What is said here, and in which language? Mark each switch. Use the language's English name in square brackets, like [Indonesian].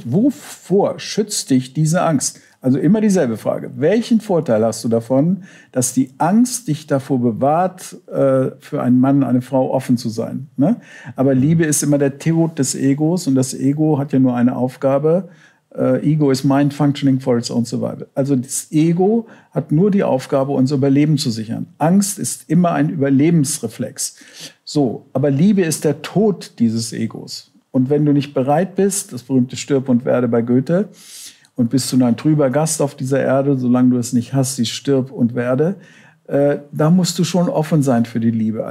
[German] Wovor schützt dich diese Angst? Also immer dieselbe Frage. Welchen Vorteil hast du davon, dass die Angst dich davor bewahrt, für einen Mann, eine Frau offen zu sein? Ne? Aber Liebe ist immer der Tod des Egos und das Ego hat ja nur eine Aufgabe. [English] Ego is mind functioning for its own survival. [German] Also das Ego hat nur die Aufgabe, unser Überleben zu sichern. Angst ist immer ein Überlebensreflex. So, aber Liebe ist der Tod dieses Egos. Und wenn du nicht bereit bist, das berühmte Stirb und werde bei Goethe, und bist du ein trüber Gast auf dieser Erde, solange du es nicht hast, die stirb und werde, da musst du schon offen sein für die Liebe.